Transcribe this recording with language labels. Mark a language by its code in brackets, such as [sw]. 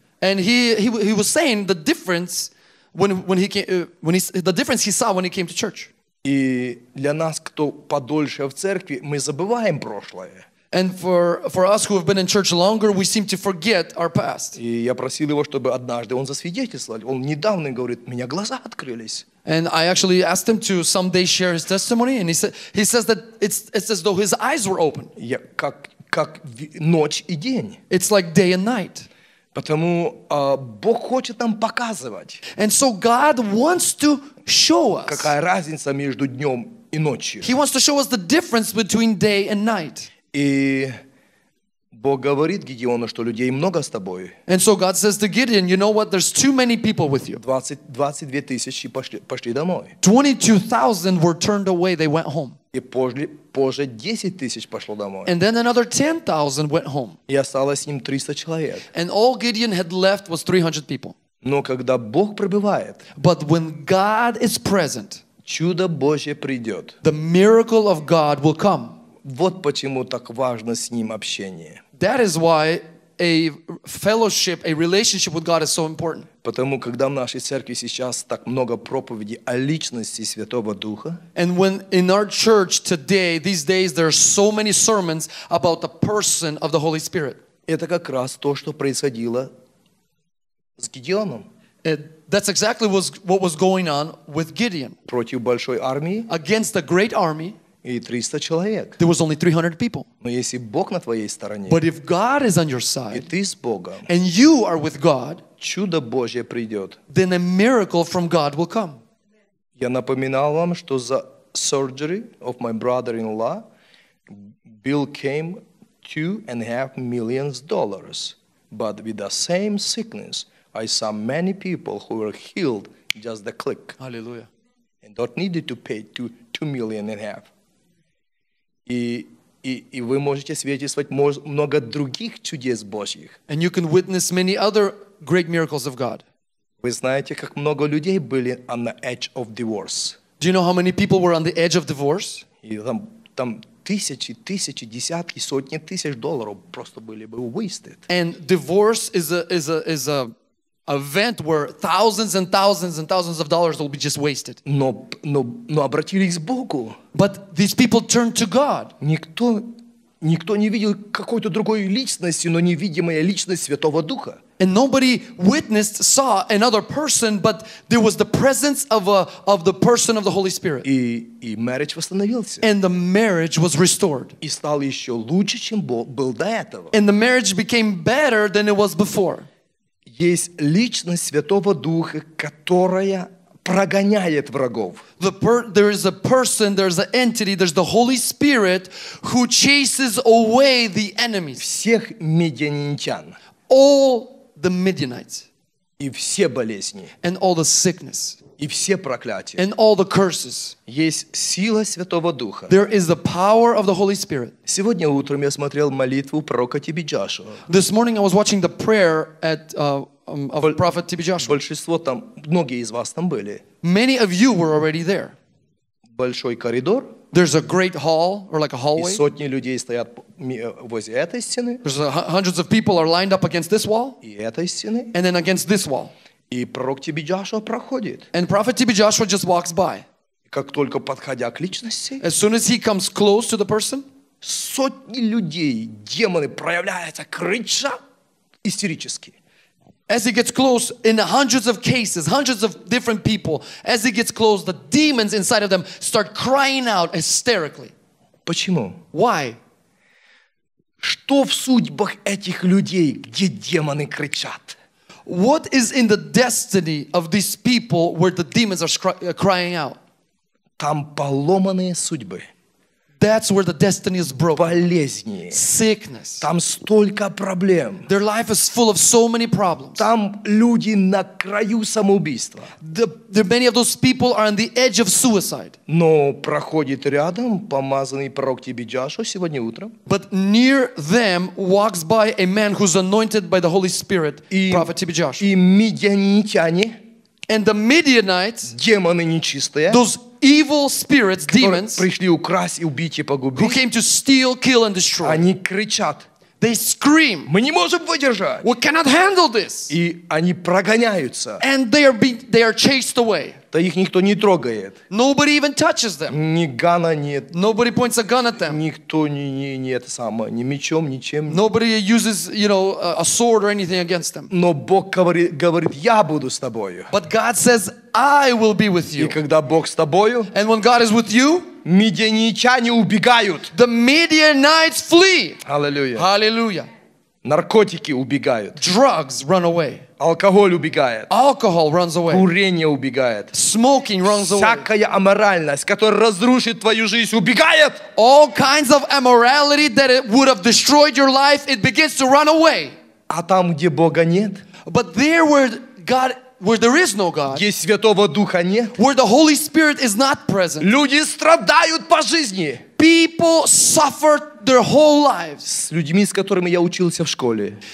[en] And he was saying the difference when he saw when he came to church. [ru] И для нас, кто подольше в церкви, мы забываем прошлое. [en] And for us who have been in church longer, we seem to forget our past. [ru] И я просил его, чтобы однажды он засвидетельствовал. Он недавно говорит, меня глаза открылись. [en] And I actually asked him to someday share his testimony, and he says that it's as though his eyes were open. [ru] Я как ночь и день. [en] It's like day and night. [ru] Потому Бог хочет нам показывать. [en] And so God wants to show us. [ru] Какая разница между днем и ночью? [en] He wants to show us the difference between day and night. [ru] И Бог говорит Гедеону, что людей много с тобой. [en] And so God says to Gideon, you know what, there's too many people with you. [ru] 22 тысячи пошли домой. [en] 22,000 were turned away, they went home. [ru] И позже 10 тысяч пошло домой. [en] And then another 10,000 went home. [ru] И осталось с ним 300 человек. [en] And all Gideon had left was 300 people. [ru] Но когда Бог пребывает, [en] but when God is present, [ru] чудо Божье придет. [en] The miracle of God will come. [ru] Вот почему так важно с ним общение. [en] That is why a fellowship, a relationship with God is so important. [ru] Потому когда в нашей церкви сейчас так много проповеди о личности Святого Духа. [en] And when in our church today, these days, there are so many sermons about the person of the Holy Spirit. [ru] Это как раз то, что происходило с Гидеоном. [en] That's exactly what was going on with Gideon. [ru] Против большой армии. [en] Against a great army. [ru] И 300 человек. [en] There was only 300 people. [ru] Но если Бог на твоей стороне. [en] But if God is on your side. [ru] И ты с Богом. [en] And you are with God. [ru] Чудо Божье придет. [en] Then a miracle from God will come. [ru] Я напоминал вам, что за [en] surgery of my brother-in-law, bill came $2.5 million. But with the same sickness, I saw many people who were healed just the click. Hallelujah. And don't needed to pay $2.5 million. [ru] И вы можете свидетельствовать много других чудес Божьих. [en] And you can witness many other great miracles of God. [ru] Вы знаете, как много людей были [en] on the edge of divorce. Do you know how many people were on the edge of divorce? [ru] И там тысячи, тысячи, десятки, сотни тысяч долларов просто были бы wasted. [en] And divorce is a event where thousands and thousands and thousands of dollars will be just wasted. [ru] Но обратились к Богу. [en] But these people turned to God. [ru] Никто не видел какой-то другой личности, но невидимая личность Святого Духа. [en] And nobody witnessed, saw another person, but there was the presence of the person of the Holy Spirit. [ru] И marriage восстановился. [en] And the marriage was restored. [ru] И стал еще лучше, чем был до этого. [en] And the marriage became better than it was before. [ru] Есть личность Святого Духа, которая прогоняет врагов. [en] There is a person, there is an entity, there's the Holy Spirit who chases away the enemies. [ru] Всех медианитян. [en] All the Midianites. [ru] И все болезни. [en] And all the sickness. [ru] И все проклятия. [en] And all the curses. [ru] Есть сила Святого Духа. [en] There is the power of the Holy Spirit. [ru] Сегодня утром я смотрел молитву пророка Тиби Джошуа. [en] This morning I was watching the prayer at of prophet Тиби Джошуа. [ru] Большинство там, многие из вас там были. [en] Many of you were already there. [ru] Большой коридор. [en] There's a great hall or like a hallway. [ru] И сотни людей стоят возле этой стены. [en] There's hundreds of people are lined up against this wall. [ru] И этой стены. [en] And then against this wall. [ru] И пророк Тиби Джошуа проходит. [en] And prophet Тиби Джошуа just walks by. [ru] Как только подходя к личности. [en] As soon as he comes close to the person. [ru] Сотни людей, демоны проявляются, крича истерически. [en] As he gets close, in hundreds of cases, hundreds of different people, as he gets close, the demons inside of them start crying out hysterically. [ru] Почему? [en] Why? [ru] Что в судьбах этих людей, где демоны кричат? [en] What is in the destiny of these people where the demons are crying out? [ru] Там поломанные судьбы. [en] That's where the destiny is broken. [ru] Болезни. [en] Sickness. [ru] Там столько проблем. [en] Their life is full of so many problems. [ru] Там люди на краю самоубийства. [en] Many of those people are on the edge of suicide. [ru] Но проходит рядом помазанный пророк Тиби Джошуа сегодня утром. [en] But near them walks by a man who's anointed by the Holy Spirit, prophet Тиби Джошуа. [ru] И медианитяне. [en] And the Midianites. [ru] Демоны нечистые. [en] Evil spirits, demons, [ru] пришли украсть и убить и погубить, [en] who came to steal, kill, and destroy. [ru] Они кричат. [en] They scream. [ru] Мы не можем выдержать. [en] We cannot handle this. [ru] И они прогоняются. [en] And they are chased away. [ru] Да их никто не трогает. [en] Nobody even touches them. [ru] Ни гана нет. [en] Nobody points a gun at them. [ru] Никто не это самое, ни мечом, ничем. [en] Nobody uses, you know, a sword or anything against them. [ru] Но Бог говорит, я буду с тобою. [en] But God says, I will be with you. [ru] И когда Бог с тобою, [en] and when God is with you, [ru] медианитяне убегают. [en] The Midianites flee. Hallelujah. Hallelujah. [ru] Наркотики убегают. [en] Drugs run away. [ru] Алкоголь убегает. [en] Alcohol runs away. [ru] Курение убегает. [en] Smoking runs away. [ru] Всякая аморальность, которая разрушит твою жизнь, убегает. [en] All kinds of immorality that it would have destroyed your life, it begins to run away. [ru] А там, где Бога нет, [en] but there where God, where there is no God, [ru] где Святого Духа нет, [en] where the Holy Spirit is not present, [ru] люди страдают по жизни. [en] People suffered their whole lives. [ru] С людьми, с которыми я учился в школе.